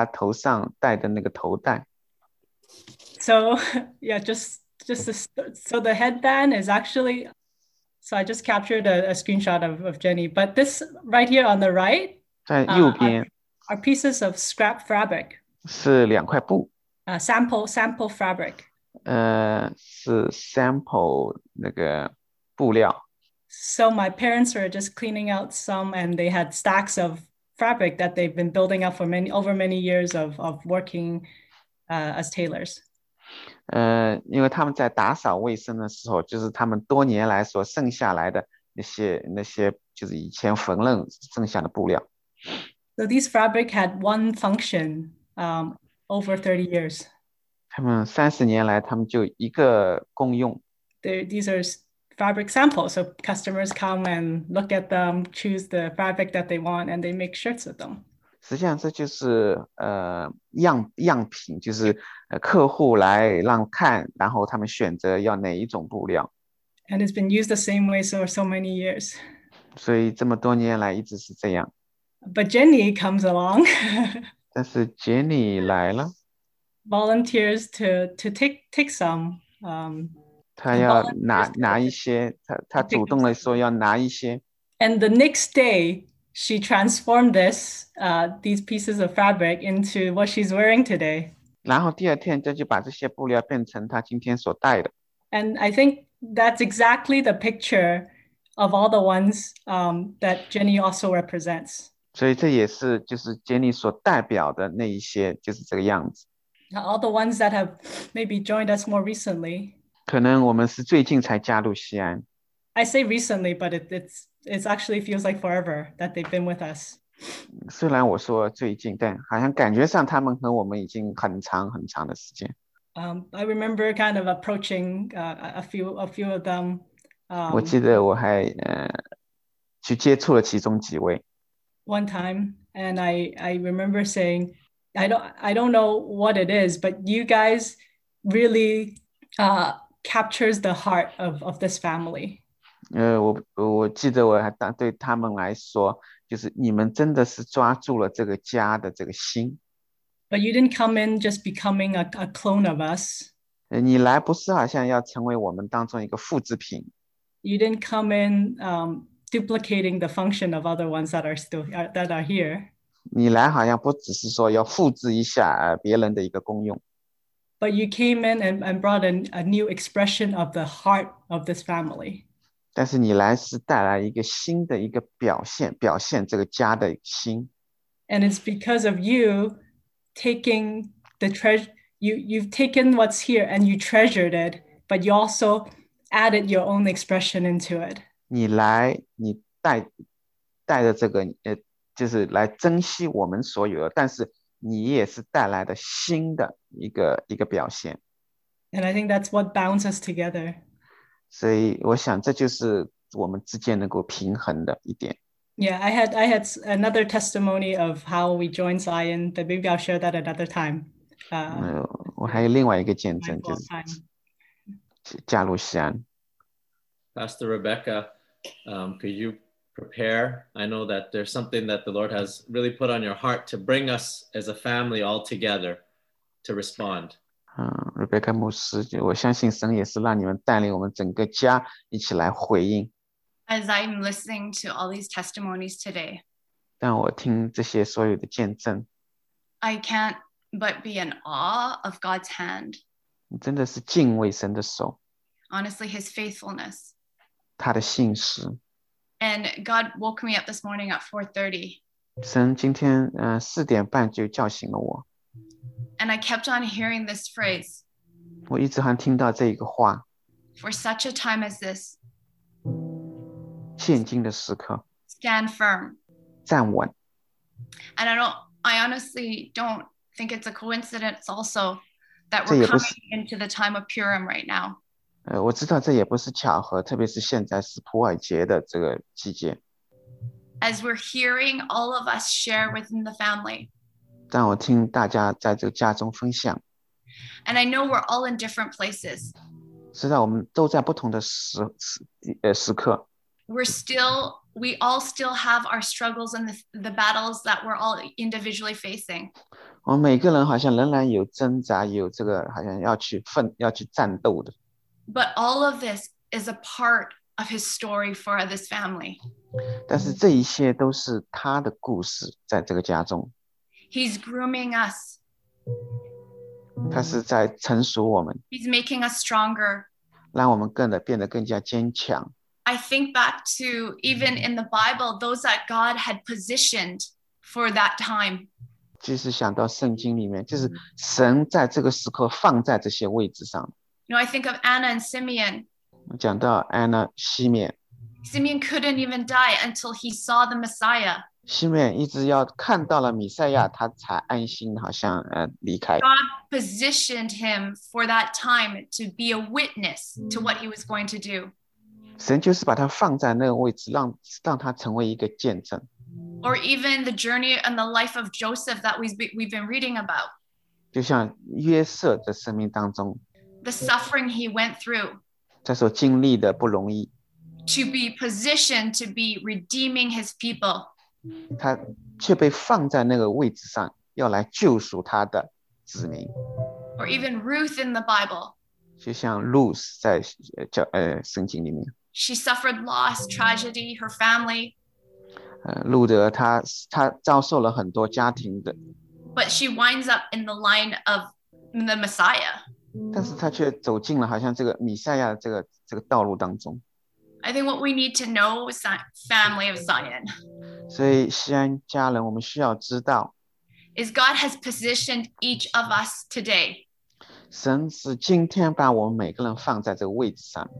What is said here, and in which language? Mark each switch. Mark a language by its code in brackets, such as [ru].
[zh] 早晨我就指出她头上戴的那个头带。 [en] So yeah, so the headband is actually, so I just captured a screenshot of Jenny, but this right here on the right, [zh] 在右边, [en] are pieces of scrap fabric. [zh] 是两块布。 [en] Sample fabric. [zh] 是 sample 那个布料。 [en] So my parents were just cleaning out some, and they had stacks of fabric that they've been building up over many years of working as tailors. [zh] 因为他们在打扫卫生的时候，就是他们多年来所剩下来的那些就是以前缝纫剩下的布料。 [en] So these fabric had one function over 30 years. [zh] 他们30年来，他们就一个功用。 [en] These are fabric samples. So customers come and look at them, choose the fabric that they want, and they make shirts with them. [zh] 实际上这就是样品，就是客户来让看，然后他们选择要哪一种布料。 [en] And it's been used the same way for so many years. [zh] 所以这么多年来一直是这样。 [en] But Jenny comes along. [zh] 但是 Jenny 来了。 [en] Volunteers to take some. [zh] 他要拿一些，他主动来说要拿一些。 [en] And the next day. She transformed these pieces of fabric into what she's wearing today. [zh] 然后第二天，她就把这些布料变成她今天所戴的。 [en] And I think that's exactly the picture of all the ones that Jenny also represents. [zh] 所以这也是就是 Jenny 所代表的那一些，就是这个样子。 [en] All the ones that have maybe joined us more recently. [zh] 可能我们是最近才加入西安。 [en] I say recently, but it's actually feels like forever that they've been with us. [zh] 虽然我说最近，但好像感觉上他们和我们已经很长很长的时间。 [en] I remember kind of approaching a few of them. [zh] 我记得我还去接触了其中几位。 [en] One time, and I remember saying, I don't know what it is, but you guys really captures the heart of this family. [zh] 我记得我还当对他们来说，就是你们真的是抓住了这个家的这个心。 [en] But you didn't come in just becoming a clone of us. [zh] 你来不是好像要成为我们当中一个复制品。 [en] You didn't come in duplicating the function of other ones that are here. [zh] 你来好像不只是说要复制一下别人的一个功用。 [en] But you came in and brought in a new expression of the heart of this family. [zh] 但是你来是带来一个新的一个表现这个家的心。 [en] And it's because of you taking the treasure, you've taken what's here and you treasured it, but you also added your own expression into it. [zh] 你来，你带着这个，就是来珍惜我们所有的，但是你也是带来的新的一个表现。 [en] And I think that's what bounds us together. [zh] 所以我想这就是我们之间能够平衡的一点。 [en] Yeah, I had another testimony of how we joined Zion, but maybe I'll share that another time. [zh] 我还有另外一个见证，就是加入西安。 [en] Pastor Rebecca, could you prepare? I know that there's something that the Lord has really put on your heart to bring us as a family all together to respond. [zh] Rebecca 牧师，我相信神也是让你们带领我们整个家一起来回应。 [en] As I'm listening to all these testimonies today, [zh] 但我听这些所有的见证， [en] I can't but be in awe of God's hand. [zh] 真的是敬畏神的手。 [en] Honestly, His faithfulness. [zh] 他的信实。 [en] And God woke me up this morning at 4:30. [zh] 神今天四点半就叫醒了我。 [en] And I kept on hearing this phrase. [zh] 我一直还听到这一个话。 [en] For such a time as this. [zh] 现今的时刻。 [en] Stand firm. [zh] 站稳。 [en] And I honestly don't think it's a coincidence also that we're coming into the time of Purim right now. [zh] 我知道这也不是巧合，特别是现在是普尔节的这个季节。 [en] As we're hearing all of us share within the family. [zh] 但我听大家在这个家中分享。 [en] And I know we're all in different places. [zh] 是的，我们都在不同的时刻。 [en] We all still have our struggles and the battles that we're all individually facing. [zh] 我们每个人好像仍然有挣扎，有这个好像要去战斗的。 [en] But all of this is a part of his story for this family. [zh] 但是这一切都是他的故事在这个家中。 [en] He's grooming us. [zh] 他是在成熟我们。 [en] He's making us stronger. [zh] 让我们变得更加坚强。 [en] I think back to, even in the Bible, those that God had positioned for that time. [zh] 就是想到圣经里面，就是神在这个时刻放在这些位置上。 [en] No, I think of Anna and Simeon. [zh] 讲到 Anna, 西面。 [en] Simeon couldn't even die until he saw the Messiah. [zh] 西面一直要看到了弥赛亚，他才安心，好像离开。 [en] God positioned him for that time to be a witness to what he was going to do. [zh] 神就是把它放在那个位置，让它成为一个见证。 [en] Or even the journey and the life of Joseph that we've been reading about. [zh] 就像约瑟的生命当中。 [en] The suffering he went through. [zh] 他所经历的不容易。 [en] To be positioned to be redeeming his people. [zh] 他却被放在那个位置上，要来救赎他的子民。 [en] Or even Ruth in the Bible. [zh] 就像 Ruth 在圣经里面。 [en] She suffered loss, tragedy, her family. [zh] 路德他遭受了很多家庭的。 [en] But she winds up in the line of the Messiah. [zh] 但是他却走进了好像这个弥赛亚的这个道路当中。 [en] I think what we need to know is that family of Zion. [zh] 所以西安家人，我们需要知道。 [en] Is God has positioned each of us today. 神是今天把我们每个人放在这个位置上。